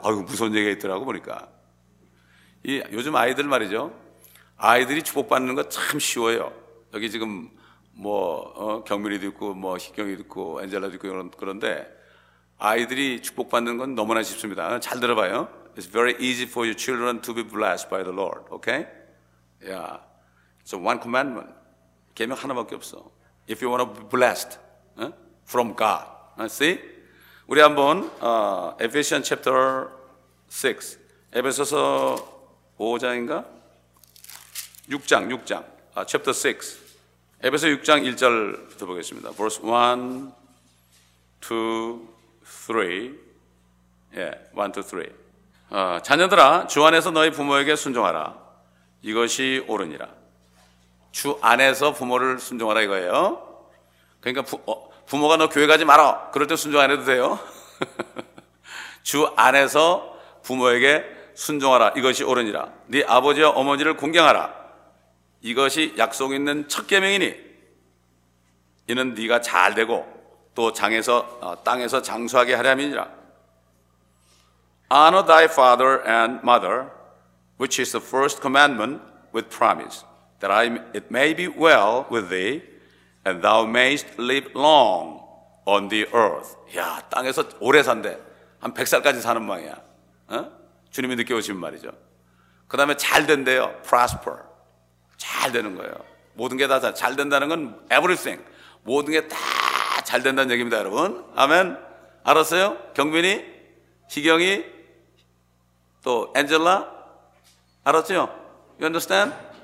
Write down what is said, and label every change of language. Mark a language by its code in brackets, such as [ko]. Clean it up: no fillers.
[ko] 아유 무서운 얘기가 있더라고 보니까. 이 요즘 아이들 말이죠. 아이들이 축복받는 거 참 쉬워요. 여기 지금 뭐 경민이도 있고 뭐 희경이도 있고 엔젤라도 있고 이런 그런데 아이들이 축복받는 건 너무나 쉽습니다. 잘 들어봐요. [en] It's very easy for your children to be blessed by the Lord. Okay? Yeah. So one commandment. [ko] 계명 하나밖에 없어. [en] If you want to be blessed from God. See? [ko] 우리 한번 [en] Ephesians chapter 6. [ko] 에베소서 5장인가? 6장. [en] Chapter 6. [ko] 에베소 6장 1절부터 보겠습니다. [en] Verse 1, 2, 3. [ko] 예, 1, 2, 3. 자녀들아, 주 안에서 너희 부모에게 순종하라. 이것이 옳으니라. 주 안에서 부모를 순종하라 이거예요. 그러니까 부모가 너 교회 가지 마라. 그럴 때 순종 안 해도 돼요. 주 안에서 부모에게 순종하라. 이것이 옳으니라. 네 아버지와 어머니를 공경하라. 이것이 약속 있는 첫 계명이니 이는 네가 잘 되고 또 땅에서 장수하게 하려함이니라. [en] Honor thy father and mother, which is the first commandment with promise, that it may be well with thee, and thou mayst live long on the earth. [ko] 야, 땅에서 오래 산대. 한 100살까지 사는 모양이야. 주님이 늦게 오시면 말이죠. 그 다음에 잘 된대요. Prosper. 잘 되는 거예요. 모든 게 다 잘 된다는 건 everything. 모든 게 다 잘 된다는 얘기입니다, 여러분. 아멘. 알았어요? 경민이? 희경이? 또 엔젤라? 알았죠? [en] You understand?